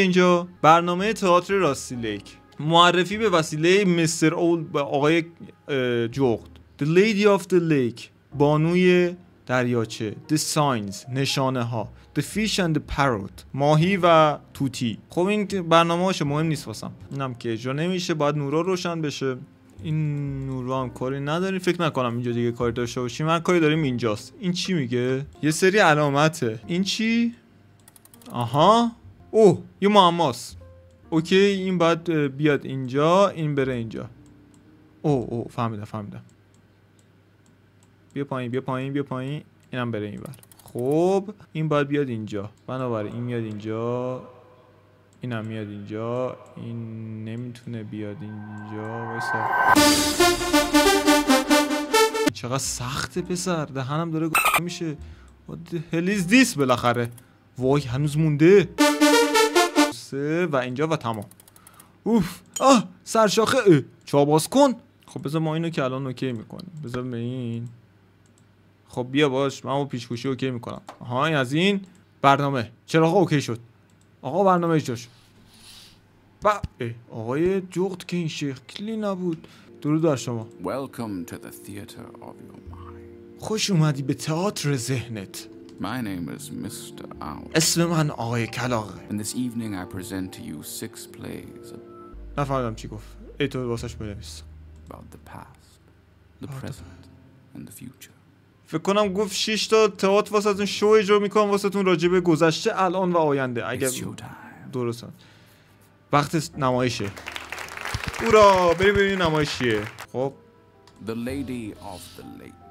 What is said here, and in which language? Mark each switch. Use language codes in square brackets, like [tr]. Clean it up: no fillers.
[fa] اینجا برنامه تئاتر راستی لیک، معرفی به وسیله مستر اول، آقای جغد. [en] The Lady of the Lake، [fa] بانوی دریاچه. [en] The Signs، [fa] نشانه ها. [en] The Fish and the Parrot، [fa] ماهی و توتی. خب این برنامه هاش مهم نیست واسم. اینم که اجرا نمیشه، باید نورا روشن بشه. این نورا هم کاری نداری، فکر نکنم اینجا دیگه کاری داشته باشیم. من کاری داریم اینجاست. این چی میگه؟ یه سری علامته. این چی؟ آها، اوه یه معماست. اوکی این باید بیاد اینجا، این بره اینجا. اوه فهمیدم فهمیدم. بیا پایین، اینم بره اینور. خب این باید بیاد اینجا. بنابراین این میاد اینجا، اینم میاد اینجا، این نمیتونه بیاد اینجا. وایسا چقدر سخته پسر، دهنم داره گفت میشه. [en] What the hell is this؟ [fa] بالاخره وای هنوز مونده. سه و اینجا و تمام. اوف آه سرشاخه اه. چاباز کن. خب بذار ما اینو که الان اوکی میکنیم، بذار به این. خب بیا باش من اون پیشگوشی اوکی میکنم. آهای از این برنامه چراغ اوکی شد. آقا برنامه اجرا شد. آقای جغد که این شکلی نبود. درود بر شما. [en] Welcome to the theater of your mind. [fa] خوش اومدی به تئاتر ذهنت. [en] My name is Mr. Owl. [fa] اسم من آقای کلاغه. [en] And this evening I present to you six plays. [fa] نفهمیدم چی گفت. ای تو واسش بنویس. [en] About the past, the present and the future. [fa] فکر کنم گفت 6 تا تئاتر واسهتون شو اجرا میکنم واسهتون راجع به گذشته، الان و آینده. اگر درستن. وقت نمایشه. اورا بریم ببینیم نمایشیه. خب The Lady of the Lake.